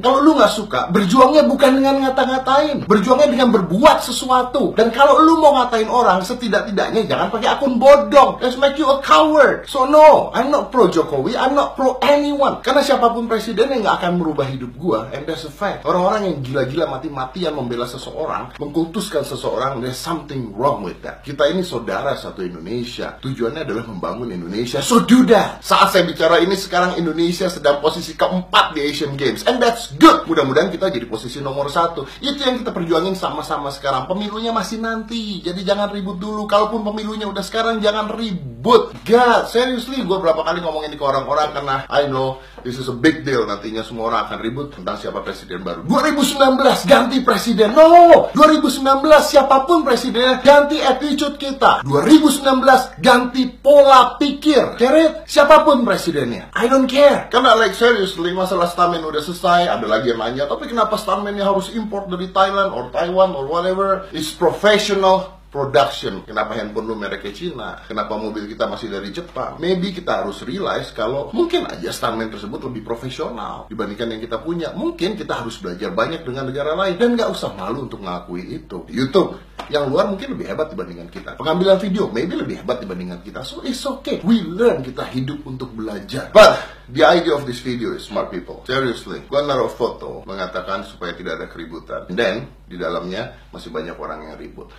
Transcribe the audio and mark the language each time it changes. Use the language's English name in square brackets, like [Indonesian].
[Indonesian] Kalau lu gak suka, berjuangnya bukan dengan ngata-ngatain. Berjuangnya dengan berbuat sesuatu. Dan kalau lu mau ngatain orang, setidak-tidaknya jangan pakai akun bodong. [English] Let's make you a coward. So no, I'm not pro Jokowi, I'm not pro anyone. [Indonesian] Karena siapapun presiden yang gak akan merubah hidup gua. [English] And that's a fact. [Indonesian] Orang-orang yang gila-gila mati-matian membela seseorang, mengkultuskan seseorang, [English] there's something wrong with that. [Indonesian] Kita ini saudara satu Indonesia. Tujuannya adalah membangun Indonesia. [English] So do that. [Indonesian] Saat saya bicara ini, sekarang Indonesia sedang posisi keempat di Asian Games. [English] And that's good. [Indonesian] Mudah-mudahan kita jadi posisi nomor satu. Itu yang kita perjuangin sama-sama sekarang. Pemilunya masih nanti. Jadi jangan ribut dulu. Kalaupun pemilunya udah sekarang, jangan ribut. [English] God, seriously. [Indonesian] Gue berapa kali ngomongin ini ke orang-orang. [English] Karena I know this is a big deal. [Indonesian] Nantinya semua orang akan ribut tentang siapa presiden baru. 2019, ganti presiden. No! 2019, siapapun presidennya, ganti attitude kita. 2019, ganti pola pikir. Keret, siapapun presidennya. [English] I don't care. [Indonesian] Karena [English] like seriously, [Indonesian] masalah stuntman udah selesai. Ada lagi yang nanya, tapi kenapa stuntmannya harus import dari Thailand [English] or Taiwan or whatever? It's professional production. [Indonesian] Kenapa handphone lu mereknya Cina? Kenapa mobil kita masih dari Jepang? Maybe kita harus realize kalau mungkin aja stuntman tersebut lebih profesional dibandingkan yang kita punya. Mungkin kita harus belajar banyak dengan negara lain. Dan gak usah malu untuk ngakui itu. YouTube yang luar mungkin lebih hebat dibandingkan kita. Pengambilan video maybe lebih hebat dibandingkan kita. [English] So it's okay. We learn, [Indonesian] kita hidup untuk belajar. [English] But the idea of this video is smart people. [Indonesian] Seriously, gua naruh foto mengatakan supaya tidak ada keributan. And then di dalamnya masih banyak orang yang ribut.